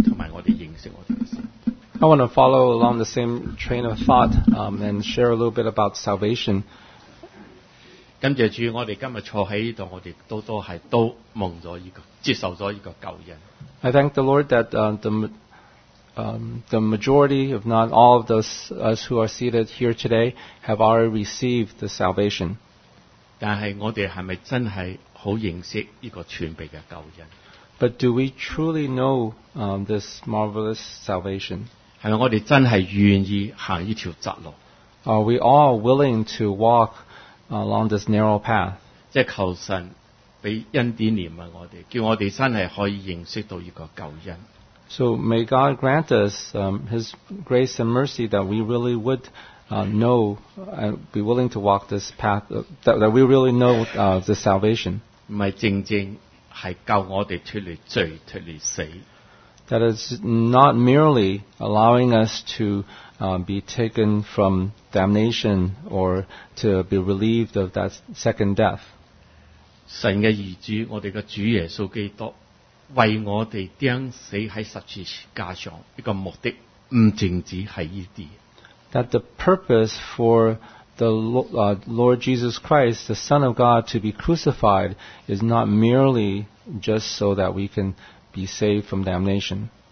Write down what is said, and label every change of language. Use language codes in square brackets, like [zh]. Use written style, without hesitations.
[en] I want to follow along the same train of thought and share a little bit about salvation. [zh] 感謝主我們今天坐在這裡我們都接受了這個救恩。 [en] I thank the Lord that the majority, if not all of those us who are seated here today, have already received the salvation. [zh] 但是我們是不是真的很認識這個全備的救恩? [en] But do we truly know this marvelous salvation? [zh] 是不是我們真的願意走這條窄路? [en] Are we all willing to walk along this narrow path? [zh] 即是求神給恩典憐憫我們, 叫我們真的可以認識到這個救恩。 [en] So may God grant us His grace and mercy that we really would know and be willing to walk this path, that we really know the salvation. [zh] 不是正正是救我们脱离罪脱离死, [en] that is not merely allowing us to be taken from damnation or to be relieved of that second death. [zh] 神的儿子, 我们的主耶稣基督, 为我们钉死在十字架上, 一个目的, 不仅仅是这些。 [en] That the purpose for the Lord Jesus Christ, the Son of God, to be crucified is not merely just so that we can be saved from damnation.